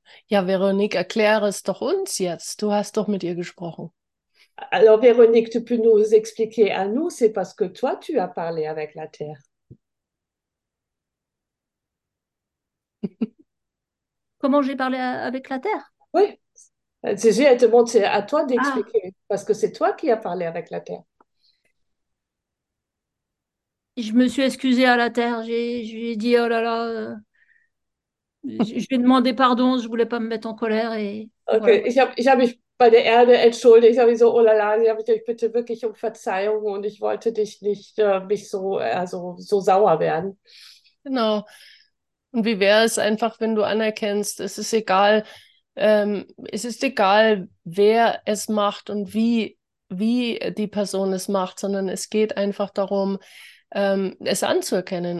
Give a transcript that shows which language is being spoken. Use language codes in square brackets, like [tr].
[de] Ja, Veronique, erkläre es doch uns jetzt. Du hast doch mit ihr gesprochen. [fr] Alors, Véronique, tu peux nous expliquer à nous, c'est parce que toi, tu as parlé avec la Terre. Comment j'ai parlé avec la Terre? Oui, Cécile a demandé à toi Ah. d'expliquer, parce que c'est toi qui as parlé avec la Terre. Je me suis excusée à la Terre. J'ai dit, oh là là, je vais demander pardon, je ne voulais pas me mettre en colère et voilà. [de] Ich hab mich bei der Erde entschuldigt, ich habe mich so, oh la la, ich bitte wirklich um Verzeihung und ich wollte dich nicht mich so, also so sauer werden. Genau. Und wie wäre es einfach, wenn du anerkennst, es ist egal, es ist egal, wer es macht und wie die Person es macht, sondern es geht einfach darum, es anzuerkennen.